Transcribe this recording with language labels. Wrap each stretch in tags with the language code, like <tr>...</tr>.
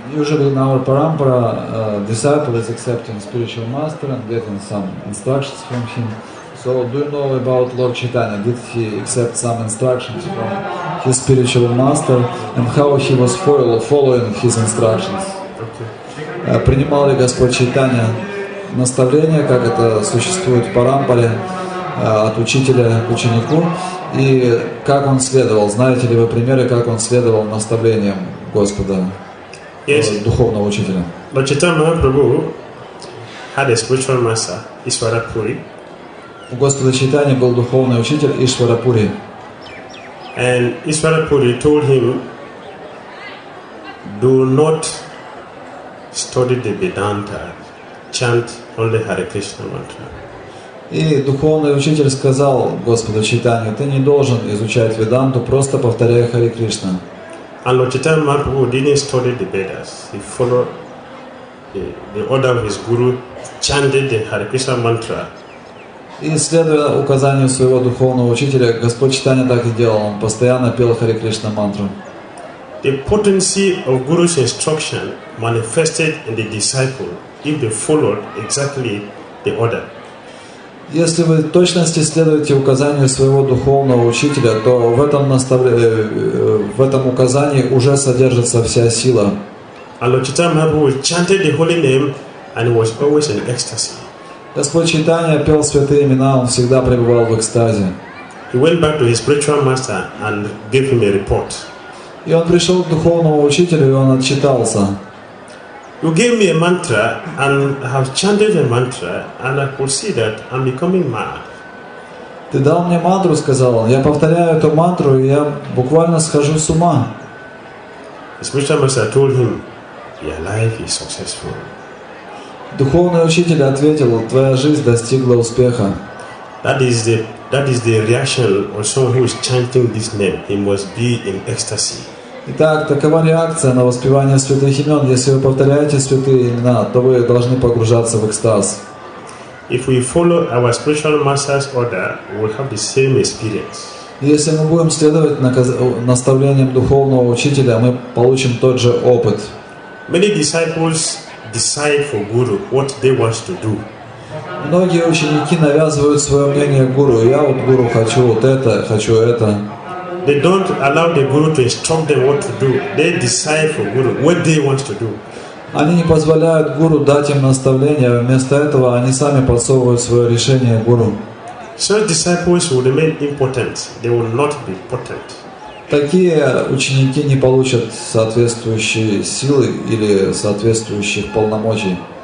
<en>Usually in our parampara, disciple is accepting spiritual master and getting some instructions from him. So, do you know about Lord Chaitanya? Did he accept some instructions from his spiritual master, and how he was following his instructions?</en> <ru>Принимал ли Господь Чайтанья наставление, как это существует в парампаре, от учителя к ученику, и как он следовал? Знаете ли вы примеры, как он следовал наставлениям Господа,</ru> <en>yes.</en> <ru>Духовного учителя?</ru> <en>Lord Chaitanya Mahaprabhu had a spiritual master, Ishwara Puri.</en> <ru>У Господа Чайтанья был духовный учитель Ишвара Пури.</ru> <en>And Ishwara Puri told him, do not study the Vedanta, chant only Hare Krishna mantra.</en> <ru>И духовный учитель сказал Господу Чайтанье, ты не должен изучать Веданту, просто повторяй Харе Кришна.</ru> <en>And Lord Chaitanya Mahaprabhu didn't study the Vedas. He followed the order of his guru, chanted the Hare Krishna mantra.</en> <ru>И следуя указанию своего духовного учителя, Господь Чайтанья так и делал. Он постоянно пел Харе Кришна мантру.</ru> <en>The potency of Guru's instruction manifested in the disciple if they followed exactly the order.</en> <ru>Если вы в точности следуете указанию своего духовного учителя, то в этом указании уже содержится вся сила.</ru> <en>And Lord Chaitanya Mahaprabhu chanted the holy name and was always in ecstasy.</en> <ru>Господь Чайтанья пел святые имена, он всегда пребывал в экстазе.</ru> <en>He went back to his spiritual master and gave him a report.</en> <ru>И он пришел к духовному учителю, и он отчитался.</ru> <en>You gave me a mantra, and I have chanted a mantra, and I could see that I'm becoming mad.</en> <ru>Ты дал мне мантру, сказал он. Я повторяю эту мантру, и я буквально схожу с ума.</ru> <en>His spiritual master told him, your life is successful.</en> <ru>Духовный учитель ответил: твоя жизнь достигла успеха.</ru> <en>That is the reaction of someone who is chanting this name. He must be in ecstasy.</en> <ru>Итак, такова реакция на воспевание святых имен. Если вы повторяете святые имена, то вы должны погружаться в экстаз.</ru> <en>If we follow our spiritual master's order, we will have the same experience.</en> <ru>Если мы будем следовать наставлениям духовного учителя, мы получим тот же опыт.</ru> <en>Many disciples decide for guru what they want to do.</en> <ru>Многие ученики навязывают свое мнение гуру. Я вот гуру хочу вот это, хочу это.</ru> <en>They don't allow the guru to instruct them what to do. They decide for guru what they want to do.</en> <ru>Они не позволяют гуру дать им наставления. Вместо этого они сами подсовывают свое решение гуру.</ru> <en>Such disciples will remain impotent. They will not be potent.</en> <ru>Такие ученики не получат соответствующие силы или соответствующих полномочий.</ru>